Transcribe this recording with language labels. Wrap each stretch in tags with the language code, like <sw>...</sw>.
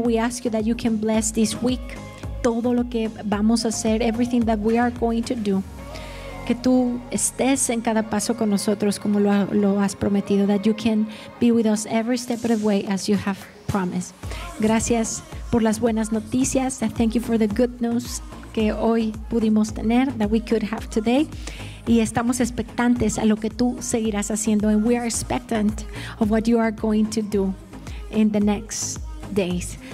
<en>We ask you that you can bless this week.</en> <es>Todo lo que vamos a hacer,</es> <en>everything that we are going to do.</en> <es>Que tú estés en cada paso con nosotros como lo has prometido.</es> <en>That you can be with us every step of the way as you have promised.</en> <es>Gracias por las buenas noticias.</es> <en>I thank you for the good news</en> <es>que hoy pudimos tener,</es> <en>that we could have today.</en> <es>Y estamos expectantes a lo que tú seguirás haciendo.</es> <en>And we are expectant of what you are going to do in the next days.</en>